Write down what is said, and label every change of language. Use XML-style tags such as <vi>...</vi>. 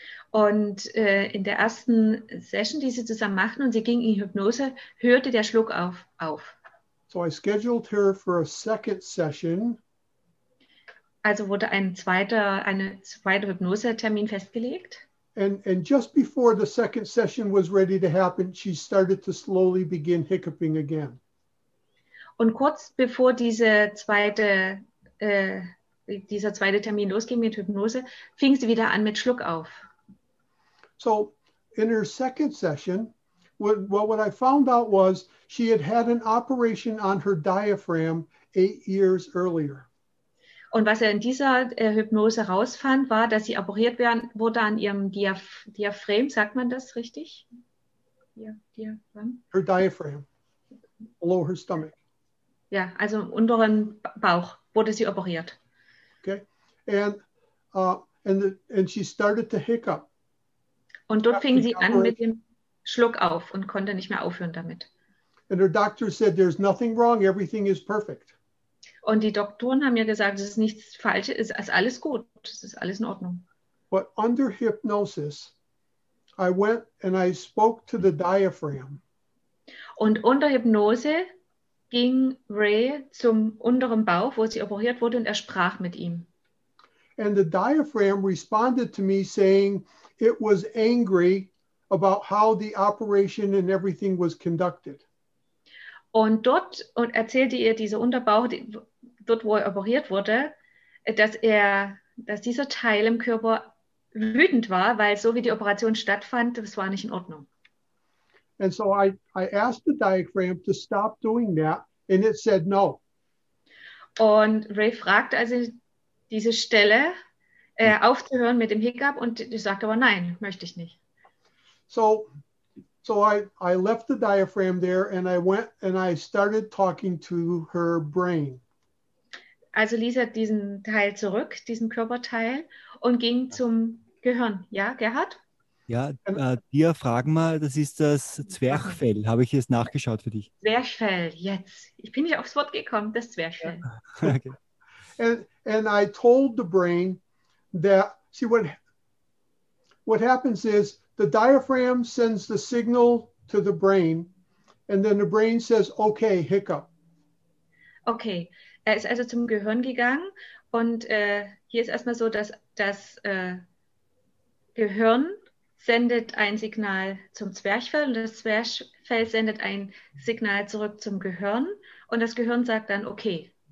<de>Und in der ersten Session, die sie zusammen machten und sie ging in Hypnose, hörte der Schluck auf.</de> <en>So I scheduled her for a second session.</en> <de>Also wurde ein zweiter Hypnosetermin festgelegt.</de> <en>And just before the second session was ready to happen, she started to slowly begin hiccuping again.</en> <de>Und kurz bevor dieser zweite Termin losging mit Hypnose, fing sie wieder an mit Schluck auf.</de> <en>So in her second session, what I found out was she had had an operation on her diaphragm 8 years earlier.</en> <de>Und was in dieser Hypnose herausfand, war, dass sie operiert wurde an ihrem Diaphragm. Sagt man das richtig?</de> <en>Diaphragm? Her diaphragm, below her stomach.</en> <de>Ja, also im unteren Bauch wurde sie operiert.</de> <en>Okay, and she started to hiccup.</en> <de>Und dort fing sie an mit dem Schluck auf und konnte nicht mehr aufhören damit.</de> <en>And her doctor said, there's nothing wrong, everything is perfect.</en> <de>Und die Doktoren haben ihr gesagt, es ist nichts Falsches, es ist alles gut, es ist alles in Ordnung.</de> <en>But under hypnosis, I went and I spoke to the diaphragm.</en> <de>Und unter Hypnose ging Ray zum unteren Bauch, wo sie operiert wurde, und er sprach mit ihm.</de> <en>And the diaphragm responded to me saying, it was angry about how the operation and everything was conducted.</en> <de>Und dort und erzählte ihr dieser Unterbauch, dort wo er operiert wurde, dass dieser Teil im Körper wütend war, weil so wie die Operation stattfand, das war nicht in Ordnung.</de> <en>And so I asked the diaphragm to stop doing that and it said no.</en> <de>Und Ray fragte also diese Stelle aufzuhören mit dem Hiccup und ich sagte aber nein, möchte ich nicht.</de> <en>So I left the diaphragm there and I went and I started talking to her brain.</en> <de>Also ließ er diesen Teil zurück, diesen Körperteil, und ging zum Gehirn. Ja, Gerhard? Ja, dir fragen mal, das ist das Zwerchfell. Habe ich jetzt nachgeschaut für dich? Zwerchfell, jetzt. Ich bin nicht aufs Wort gekommen, das Zwerchfell. Ja. Okay.</de> <en>And I told the brain, that, see, what happens is the diaphragm sends the signal to the brain and then the brain says, okay, hiccup.</en> <de>Okay, er ist also zum Gehirn gegangen und hier ist erstmal so, dass das Gehirn sendet ein Signal zum Zwerchfell und das Zwerchfell sendet ein Signal zurück zum Gehirn und das Gehirn sagt dann, okay.</de>